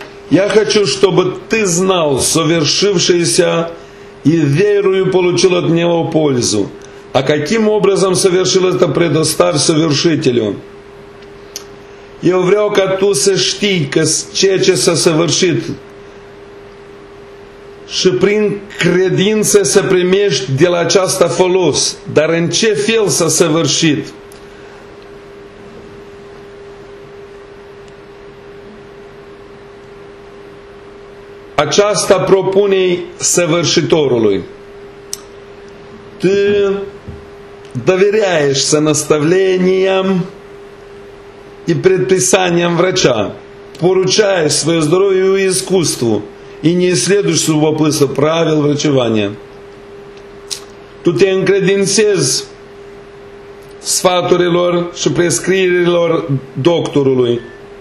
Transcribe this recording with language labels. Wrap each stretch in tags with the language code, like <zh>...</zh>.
<ru>Я хочу, чтобы ты знал совершившееся и верою получил от него пользу. А каким образом совершил это, предоставь совершителю.</ru> <ro>Eu vreau ca tu să știi că ceea ce s-a săvârșit și prin credință să primești de la aceasta folos. Dar în ce fel s-a săvârșit? aceasta propune-i săvârșitorului.</ro> <ru>Ты доверяешься наставлениям и предписаниям врача, поручаешь свое здоровье и искусству и не исследуешь с любопытством правил врачевания.</ru> <ro>Ты te încredințezi sfaturilor și prescrierilor doctorului.</ro>